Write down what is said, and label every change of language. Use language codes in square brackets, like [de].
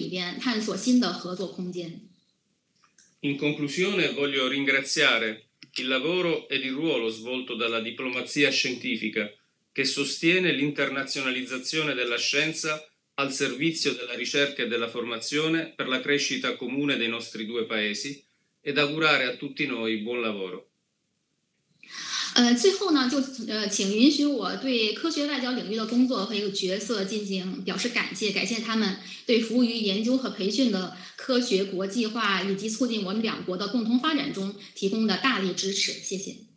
[zh] 所以，综上所述，以往的合作活动表明，通过联合研究活动呢，可以取得重要的成果。出于这个原因，我们的研究院坚信，这项新的协议不仅可以巩固科学活动，还可以在环境修复、还有海洋生物技术等具有最具有挑战的领域里边探索新的合作空间。 [it] In conclusione, voglio ringraziare il lavoro ed il ruolo svolto dalla diplomazia scientifica che sostiene l'internazionalizzazione della scienza al servizio della ricerca e della formazione per la crescita comune dei nostri due paesi, ed augurare a tutti noi buon lavoro. [zh] 最后呢，就请允许我对科学外交领域的工作和一个角色进行表示感谢，感谢他们对服务于研究和培训的科学国际化以及促进我们两国的共同发展中提供的大力支持。谢谢。